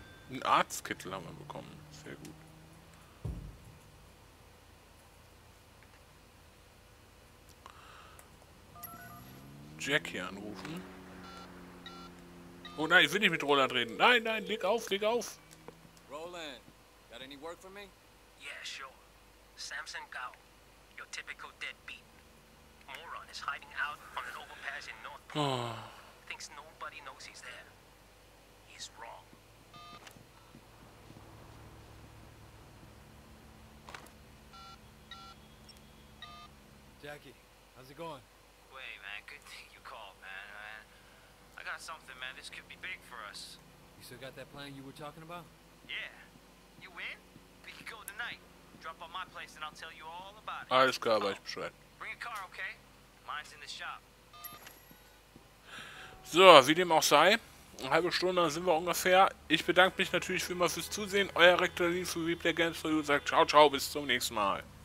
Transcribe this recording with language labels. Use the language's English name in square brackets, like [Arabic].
[German] Ein Arztkittel haben wir bekommen. Sehr gut. Jack hier anrufen. Oh nein, ich will nicht mit Roland reden. Nein, nein, leg auf, leg auf. [English] Roland, got any work for me? Yeah, sure. Samson Gao, your typical deadbeat. Moron is hiding out on an overpass in North Pole. Oh. Thinks nobody knows he's there. He's wrong. Jackie, how's it going? Wait, man, good thing you called, man. I got something, man. This could be big for us. You still got that plan you were talking about? Yeah. You in? We could go tonight. Drop on my place and I'll tell you all about it. [German] Alles klar, aber ich Bescheid. [English] Bring a car, okay? Mine's in the shop. [German] So, wie dem auch sei. Eine halbe Stunde sind wir ungefähr. Ich bedanke mich natürlich wie immer fürs Zusehen. Euer Rektor Lee von WePlayGames4U sagt ciao, ciao, bis zum nächsten Mal.